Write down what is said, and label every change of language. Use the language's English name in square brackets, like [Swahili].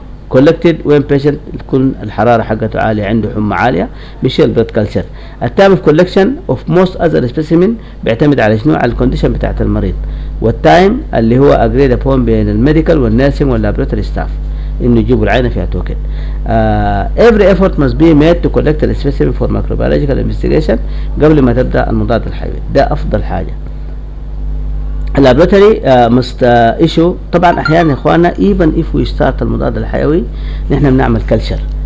[English] collected when patient [Arabic] تكون الحراره حقته عاليه عنده حمى عاليه ميشيل بلد كلتشر. [English] التايب of collection of most other specimen [Arabic] بيعتمد على شنو؟ على الكونديشن بتاعت المريض والتايم اللي هو اجريد ابون بين الميديكال والنيرسينج واللابوراتوري ستاف انه يجيبوا العينه فيها توكن. [English] Every effort must be made to collect the specimen for microbiological investigation [Arabic] قبل ما تبدا المضاد الحيوي. ده افضل حاجه. اللابوراتوري مست ايشو طبعا احيانا اخوانا [English] even if we start [Arabic] المضاد الحيوي نحن بنعمل كلتشر.